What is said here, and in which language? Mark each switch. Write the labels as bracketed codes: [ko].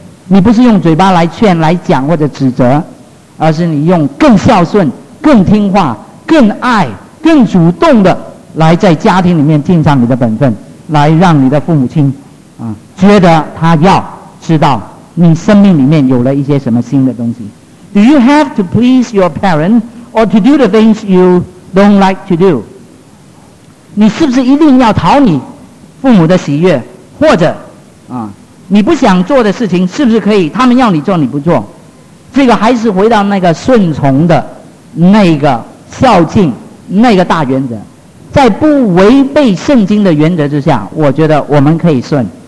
[zh] 你不是用嘴巴来劝来讲或者指责，而是你用更孝顺、更听话、更爱、更主动的来在家庭里面尽上你的本分，来让你的父母亲啊觉得他要知道你生命里面有了一些什么新的东西。 [en] Do you have to please your parents or to do the things you don't like to do? [zh] 你是不是一定要讨你父母的喜悦，或者啊你不想做的事情是不是可以他们要你做你不做？这个还是回到那个顺从的那个孝敬那个大原则，在不违背圣经的原则之下，我觉得我们可以顺。